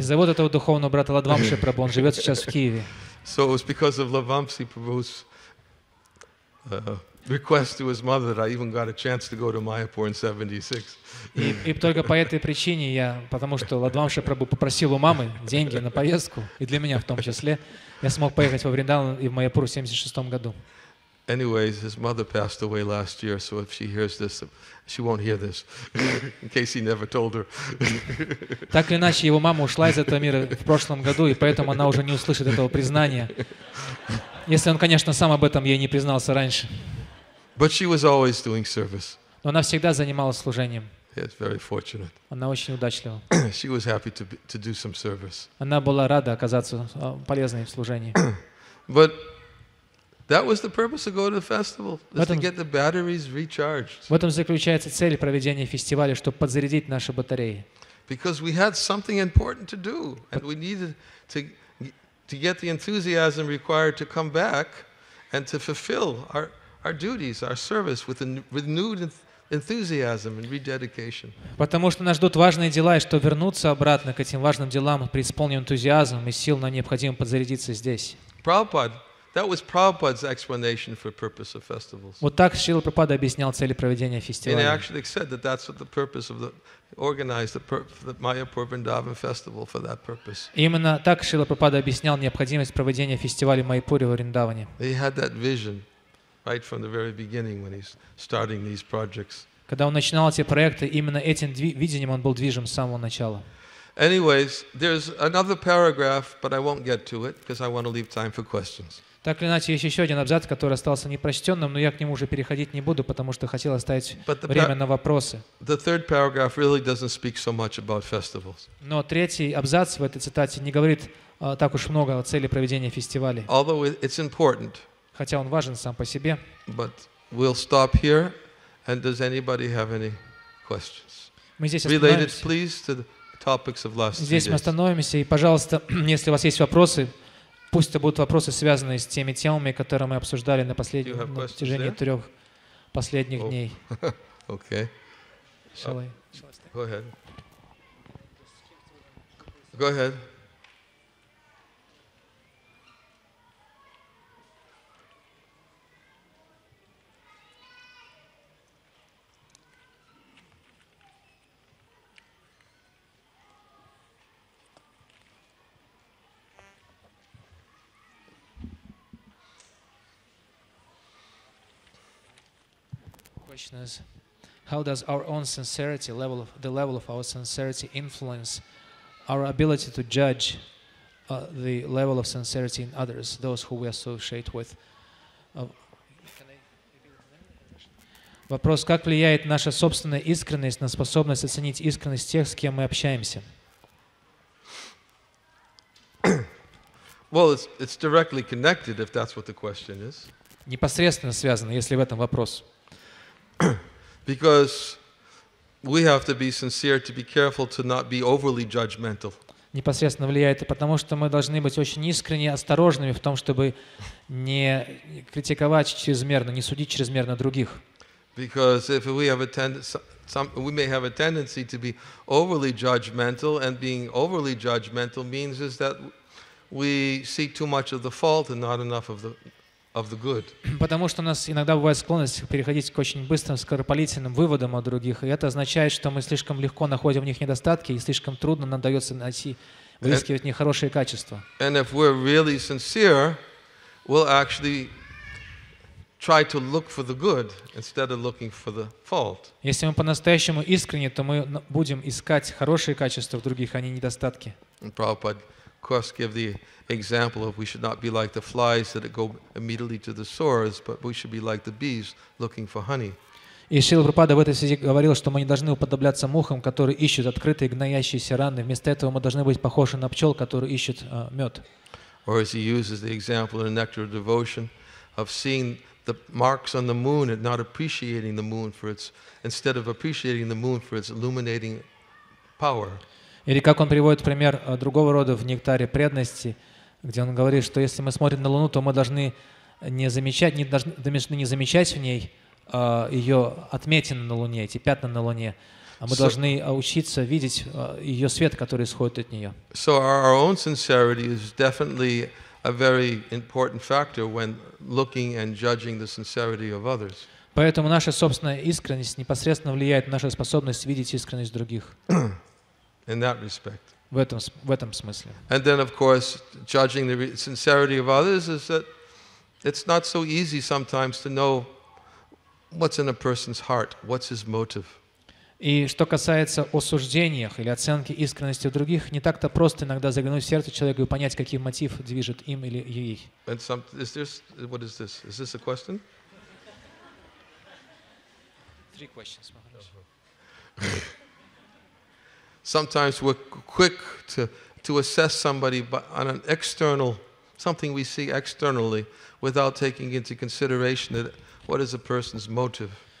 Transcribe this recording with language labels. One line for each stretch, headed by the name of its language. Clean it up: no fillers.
Russian: зовут этого духовного брата Ладвамши Прабху, он живет сейчас в Киеве.
English: So it was because of Ladvamsi Prabhu's request to his mother that I even got a chance to go to Mayapur in 76.
Russian: И только по этой причине я, потому что Ладвамши Прабху попросил у мамы деньги на поездку, и для меня в том числе, я смог поехать во Вриндаван и в Майяпур в 76 году.
English: Anyways, his mother passed away last year, so if she hears this, she won't hear this, in case he never told her.
Russian: Так или иначе, его мама ушла из этого мира в прошлом году, и поэтому она уже не услышит этого признания, если он, конечно, сам об этом ей не признался раньше.
English: But she was always doing service.
Russian: Но она всегда занималась служением.
English: It's very fortunate.
Russian: Она очень удачлива.
English: She was happy to do some service.
Russian: Она была рада оказаться полезной в служении.
English: But that was the purpose of going to the festival, is to get the batteries recharged.
Russian: В этом заключается цель проведения фестиваля, чтобы подзарядить наши батареи.
English: Because we had something important to do, and we needed to get the enthusiasm required to come back and to fulfill our duties, our service with a renewed enthusiasm and rededication.
Russian: Потому что нас ждут важные дела, и чтобы вернуться обратно к этим важным делам, преисполненным энтузиазмом и сил, нам необходимо подзарядиться здесь.
English: Prabhupada. That was Prabhupada's explanation for purpose of festivals.
Russian: Вот так Шрила Прабхупада объяснял цели проведения фестиваля.
English: And he actually said that that's what the purpose of the organized the Mayapur Vrindavan festival for that purpose.
Russian: Именно так Шрила Прабхупада объяснял необходимость проведения фестиваля Майпури в Вриндаване.
English: He had that vision right from the very beginning when he's starting these projects.
Russian: Когда он начинал эти проекты, именно этим видением он был движим с самого начала.
English: Anyways, there's another paragraph, but I won't get to it because I want to leave time for questions.
Russian: Так или иначе, есть еще один абзац, который остался непрочтенным, но я к нему уже переходить не буду, потому что хотел оставить время на вопросы.
English: The third paragraph really doesn't speak so much about festivals.
Russian: Но третий абзац в этой цитате не говорит так уж много о цели проведения фестивалей.
English: Although it's important.
Russian: Хотя он важен сам по себе.
English: But we'll stop here, and does anybody have any questions?
Russian: Мы здесь остановимся.
English: Related, please, to the topics of last
Russian: Здесь мы остановимся, и, пожалуйста, если у вас есть вопросы, пусть это будут вопросы, связанные с теми темами, которые мы обсуждали на протяжении трех последних дней.
English: Okay. Go ahead. Is how does our own sincerity level of the level of our sincerity influence our ability to judge the level of sincerity in others, those who we associate with?
Russian: Вопрос: как влияет наша собственная искренность на способность оценить искренность тех, с кем мы общаемся?
English: Well, it's directly connected if that's what the question is.
Russian: Непосредственно связано, если в этом вопрос.
English: Because we have to be sincere to be careful to not be overly judgmental.
Russian: Непосредственно влияет, потому что мы должны быть очень искренне осторожными в том, чтобы не критиковать чрезмерно, не судить чрезмерно других.
English: Because if we have a tendency, we may have a tendency to be overly judgmental, and being overly judgmental means is that we see too much of the fault and not enough of the.
Russian: Потому что у нас иногда бывает склонность переходить к очень быстрым, скоропалительным выводам о других, и это означает, что мы слишком легко находим в них недостатки, и слишком трудно нам дается найти, выискивать в них хорошие качества.
English: And if we're really sincere, we'll actually try to look for the good instead of looking for the fault.
Russian: Если мы по-настоящему искренне, то мы будем искать хорошие качества в других, а не недостатки.
English: Of course, give the example of we should not be like the flies that go immediately to the sores, but we should be like the bees looking for honey.
Russian: И Шрила Прабхупада в этой связи говорил, что мы не должны уподобляться мухам, которые ищут открытые гноящиеся раны. Вместо этого мы должны быть похожи на пчел, которые ищут мед.
English: Or as he uses the example in the Nectar of Devotion of seeing the marks on the moon and not appreciating the moon for its instead of appreciating the moon for its illuminating power.
Russian: Или как он приводит пример другого рода в «Нектаре преданности», где он говорит, что если мы смотрим на Луну, то мы должны не замечать в ней ее отметины на Луне, эти пятна на Луне. А мы должны учиться видеть ее свет, который исходит от нее.
English: So our own sincerity is definitely a very important factor when looking and judging the sincerity of others.
Russian: Поэтому наша собственная искренность непосредственно влияет на нашу способность видеть искренность других.
English: In that respect.
Russian: В этом смысле.
English: And then, of course, judging the sincerity of others is that it's not so easy sometimes to know what's in a person's heart, what's his motive.
Russian: И что касается осуждений или оценки искренности у других, не так-то просто иногда заглянуть в сердце человека и понять, какой мотив движет им или ей.
English: And some, is this, what is this? Is this a question? Three questions. Sometimes we're quick to assess somebody on an external, something we see externally, without taking into consideration that what is a person's motive.